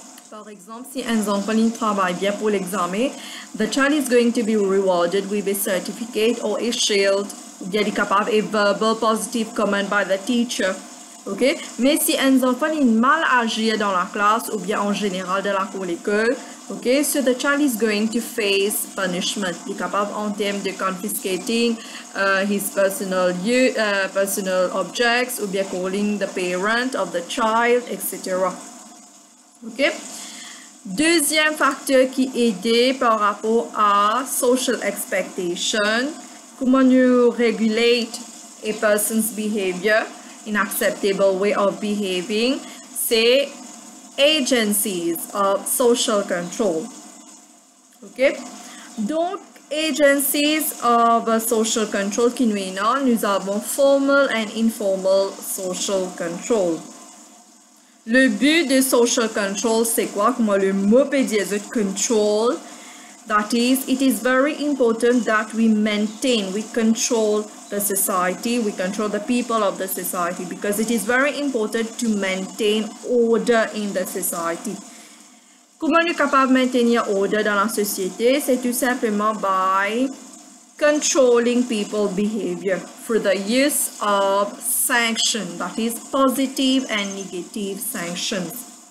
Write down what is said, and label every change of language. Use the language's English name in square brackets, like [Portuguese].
[French] Par exemple, si un enfant travaille bien pour l'examen, [English] the child is going to be rewarded with a certificate or a shield, [French] ou bien il est capable [English] a verbal positive comment by the teacher. Okay? [French] Mais si un enfant il mal agit dans la classe ou bien en général dans la cour d'école, okay? [English] So the child is going to face punishment. [French] Il est capable en termes de [English] confiscating his personal objects [French] ou bien [English] calling the parent of the child, etc. Okay? [French] Deuxième facteur qui aide par rapport à [English] social expectation, [French] comment nous [English] régulate a person's behavior in acceptable way of behaving, [French] c'est [English] agencies of social control. Okay? [French] Donc, [English] agencies of social control, [French] nous avons [English] formal and informal social control. [French] Le but de social control, c'est quoi? Comment le mot peut dire control? [English] That is, it is very important that we maintain, we control the society, we control the people of the society, because it is very important to maintain order in the society. [French] Comment nous capable maintenir order dans la société? C'est tout simplement [English] by controlling people's behavior through the use of sanctions, that is positive and negative sanctions.